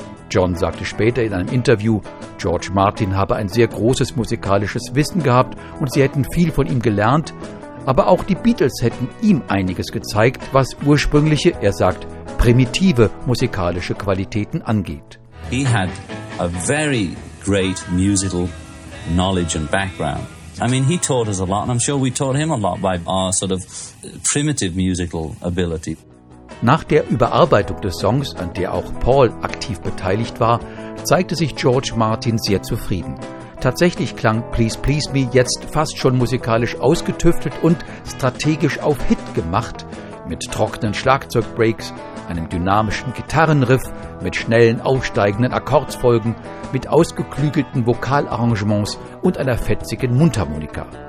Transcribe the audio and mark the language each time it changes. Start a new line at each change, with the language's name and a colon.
German: John sagte später in einem Interview, George Martin habe ein sehr großes musikalisches Wissen gehabt und sie hätten viel von ihm gelernt, aber auch die Beatles hätten ihm einiges gezeigt, was ursprüngliche, er sagt, primitive musikalische Qualitäten angeht.
English: He had a very great musical knowledge and background. I mean, he taught us a lot, and I'm sure we taught him a lot by our sort of primitive musical ability.
German: Nach der Überarbeitung des Songs, an der auch Paul aktiv beteiligt war, zeigte sich George Martin sehr zufrieden. Tatsächlich klang Please Please Me jetzt fast schon musikalisch ausgetüftelt und strategisch auf Hit gemacht, mit trockenen Schlagzeugbreaks, einem dynamischen Gitarrenriff, mit schnellen aufsteigenden Akkordfolgen, mit ausgeklügelten Vokalarrangements und einer fetzigen Mundharmonika.